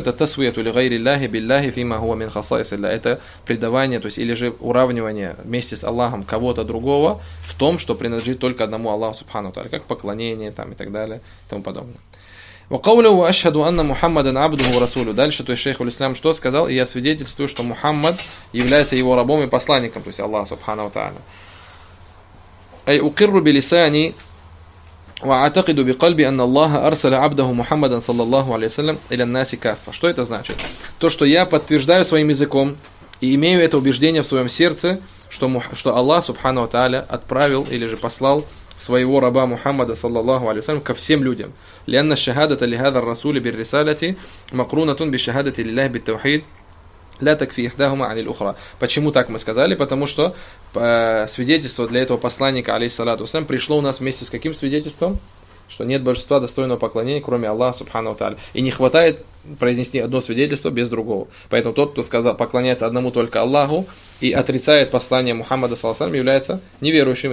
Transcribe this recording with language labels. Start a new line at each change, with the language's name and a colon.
Russian: Это
Arabic: тасвиету ли гайри ляхи билляхи фима хуа мин хасаис илля.
Russian: Это предавание, то есть, или же уравнивание вместе с Аллахом кого-то другого в том, что принадлежит только одному Аллаху субхану тааля, как поклонение там и так далее и тому подобное.
Arabic: Ва каулюху ашхаду анна Мухаммадан абдуху ва расулю.
Russian: Дальше, то есть, шейх ул-Ислам что сказал? И я свидетельствую, что Мухаммад является его рабом и посланником, то есть Аллаха субхану тааля.
Arabic: Ай укирру билисани وأعتقد بقلبي أن الله أرسل عبده محمدا صلى الله عليه وسلم إلى الناس كافة.
Russian: Что это значит? То, что я подтверждаю своим языком и имею это убеждение в своем сердце, что Аллах субхана ва тааля отправил или же послал своего раба Мухаммада
Arabic: صلى الله عليه وسلم
Russian: ко всем людям.
Arabic: لأن الشهادة لهذا الرسول بالرسالة مقرونة بالشهادة لله بالتوحيد لا تكفي إحداهما عن الأخرى.
Russian: Почему так мы сказали? Потому что свидетельство для этого посланника, алейхиссалату вассалям, пришло у нас вместе с каким свидетельством? Что нет божества достойного поклонения, кроме Аллаха, субхана ва тааля. И не хватает произнести одно свидетельство без другого. Поэтому тот, кто сказал, поклоняется одному только Аллаху и отрицает послание Мухаммада, салласам, является неверующим.